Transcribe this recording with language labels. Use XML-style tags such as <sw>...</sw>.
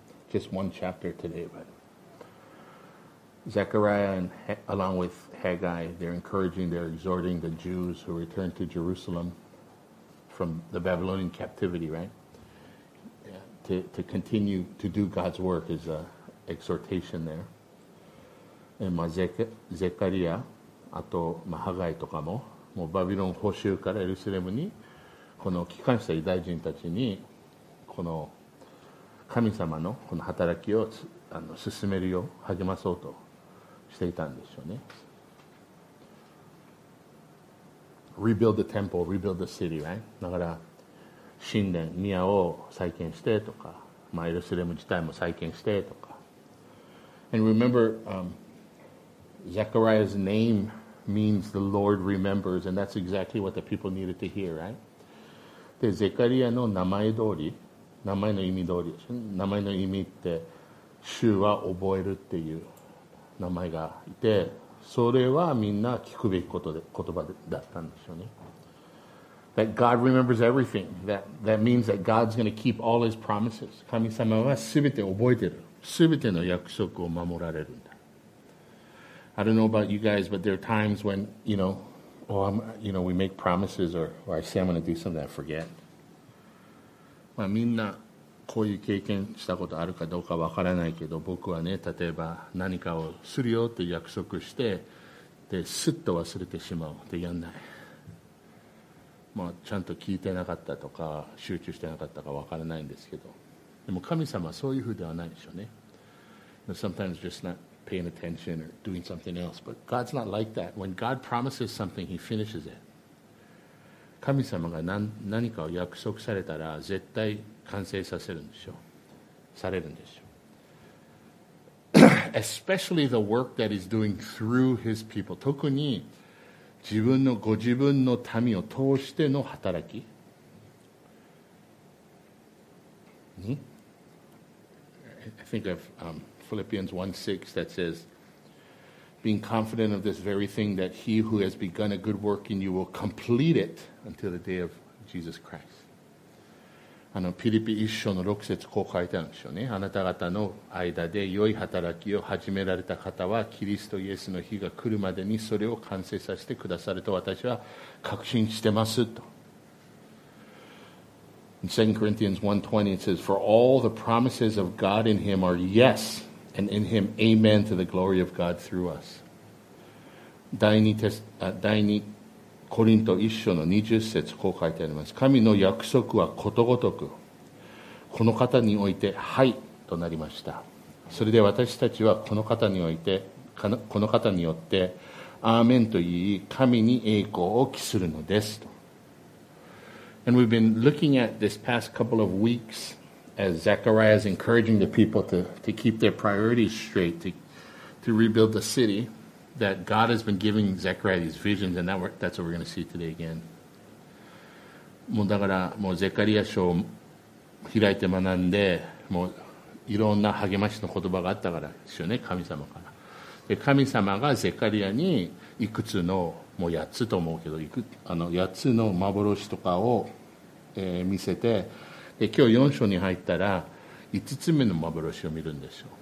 <en>Just one chapter today, but Zechariah and along with Haggai, they're encouraging, they're exhorting the Jews who returned to Jerusalem from the Babylonian captivity, right? To continue to do God's work is a exhortation there.</en> <ja>And まあ、ゼカリア、あと、まあ、ハガイとかも、もうバビロン捕囚からエルサレムに、この帰還した偉大人たちに、この神様のこの働きを進めるよう、励まそうとしていたんでしょうね。</ja> <en>Rebuild the temple, rebuild the city, right?</en> <ja>だから、神殿、宮を再建してとか、まあ、エルサレム自体も再建してとか。</ja> <en>And remember, Zechariah's name means the Lord remembers, and that's exactly what the people needed to hear, right?</en> <ja>で、ゼカリアの名前通り、名前の意味通り、名前の意味って、主は覚えるっていう名前がいて、それはみんな聞くべきことで、言葉でだったんでしょうね。</ja> <en>That God remembers everything. That means that God's going to keep all his promises.</en> <ja>神様はすべて覚えてる。すべての約束を守られるんだ。</ja> <en>I don't know about you guys, but there are times when, you know, oh, I'm, you know, we make promises or I say I'm going to do something, I forget.</en> <ja>まあみんなこういう経験したことあるかどうかわからないけど、僕はね、例えば何かをするよって約束して、で、すっと忘れてしまう。で、やんない。まあ、ちゃんと聞いてなかったとか、集中してなかったかわからないんですけど。でも神様はそういうふうではないでしょうね。</ja> <en>Sometimes just not paying attention or doing something else. But God's not like that. When God promises something, he finishes it.</en> <ja>神様が 何かを約束されたら絶対完成させるんでしょう。されるんでしょう。</ja> <en>Especially the work that he's doing through his people.</en> <ja>特に自分のご自分の民を通しての働き。</ja> <en>I think of Philippians 1:6 that says, being confident of this very thing, that he who has begun a good work in you will complete it until the day of Jesus Christ.</en> <ja>ピリピ1章の6節こう書いてあるんでしょうね。あなた方の間で良い働きを始められた方は、キリストイエスの日が来るまでにそれを完成させてくださると私は確信してますと。</ja> <en>In 2 Corinthians 1:20, it says, For all the promises of God in him are yes, and in him amen to the glory of God through us.</en> <ja>第2コリント1章の20節、こう書いてあります。神の約束はことごとく、この方において、はいとなりました。それで私たちはこの方において、この方によって、アーメンと言い、神に栄光を期するのですと。</ja> <en>And we've been looking at this past couple of weeks as Zechariah is encouraging the people to keep their priorities straight, to rebuild the city, that God has been giving Zechariah these visions, and that's what we're going to see today again.</en> <ja>もうだから、もうゼカリア書を開いて学んで、もういろんな励ましの言葉があったからですよね、神様から。で、神様がゼカリアにいくつのもう8つと思うけど、8つの幻とかを、見せて、で今日4章に入ったら5つ目の幻を見るんですよ。</ja>